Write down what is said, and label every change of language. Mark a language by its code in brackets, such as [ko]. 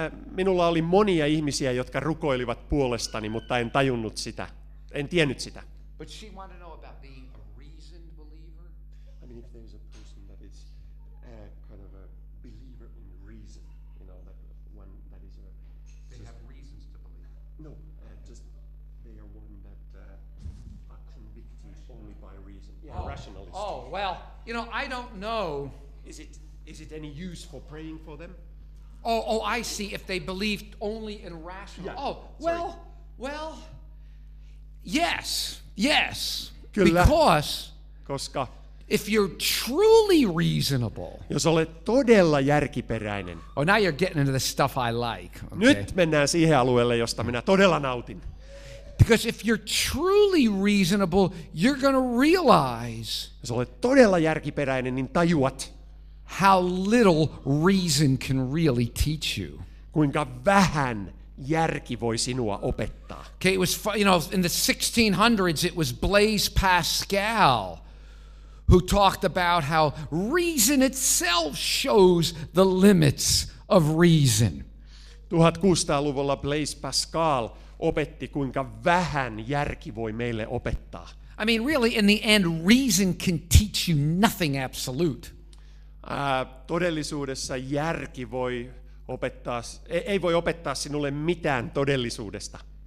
[fi] Minulla oli monia ihmisiä, jotka rukoilivat puolestani, mutta en tajunnut sitä. En tiennyt sitä. [en] But she wanted to know about being a reasoned believer. I mean, if there's a person that is kind of a believer in reason, you know, that one that is a... They have reasons to believe. No, just they are one that are convicted only by reason. Yeah, rationalist. Oh, well, you know, I don't know. Is it Is it any use for praying for them? Oh, I see. If they believed only in rational. Yeah. Oh, well, sorry. Well, yes. [fi] Kyllä. [en] Because if you're truly reasonable. [fi] Jos olet todella järkiperäinen. [en] Oh, now you're getting into the stuff I like. Okay. [fi] Nyt mennään siihen alueelle, josta minä todella nautin. [en] Because if you're truly reasonable, you're going to realize. [fi] Jos olet todella järkiperäinen, niin tajuat. [en] How little reason can really teach you. [fi] Kuinka vähän järki voi sinua opettaa. [en] Okay, it was, you know, in the 1600s, it was Blaise Pascal who talked about how reason itself shows the limits of reason. [fi] 1600-luvulla Blaise Pascal opetti, kuinka vähän järki voi meille opettaa. [en] I mean, really, in the end, reason can teach you nothing absolute. [fi] Todellisuudessa järki voi opettaa, ei voi opettaa sinulle mitään todellisuudesta.